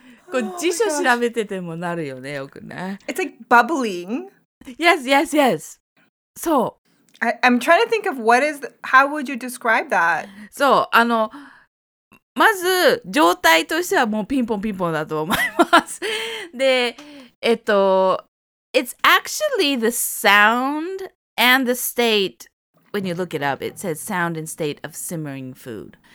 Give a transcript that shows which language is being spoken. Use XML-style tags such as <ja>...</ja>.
<ja>これ辞書調べててもなるよね、よくね。</ja> <en>It's like bubbling. Yes, yes, yes. So, I'm trying to think of what is, how would you describe that?</en> <ja>そう、あの、まず状態としてはもうピンポンピンポンだと思います。</ja> <en>で、It's actually the sound and the state. When you look it up, it says sound and state of simmering food.</en>